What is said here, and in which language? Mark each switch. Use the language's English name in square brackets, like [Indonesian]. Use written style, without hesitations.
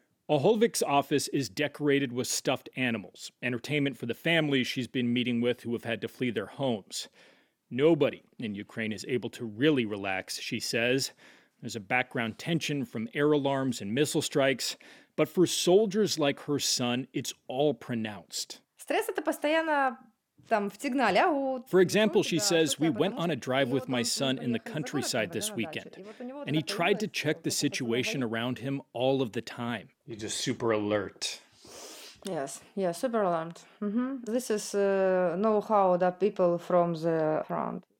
[English] Olhovic's office is decorated with stuffed animals, entertainment for the families she's been meeting with who have had to flee their homes. Nobody in Ukraine is able to really relax, she says, There's a background tension from air alarms and missile strikes. But for soldiers like her son, it's all pronounced. [Russian] Стресс это постоянно там в сигнале. [English] For example, she says, we went on a drive with my son in the countryside this weekend, and he tried to check the situation around him all of the time. You're just super alert. Yes, yeah, super alarmed. Mm-hmm. This is know-how that people from the front.